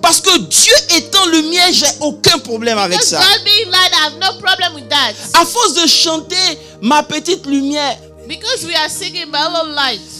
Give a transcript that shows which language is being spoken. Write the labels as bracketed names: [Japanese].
[French] Parce que Dieu étant lumière, j'ai aucun problème avec [English] because [French] ça. [English] God being light, I have no problem with that. [French] À force de chanter ma petite lumière. [English] Because we are singing my little light.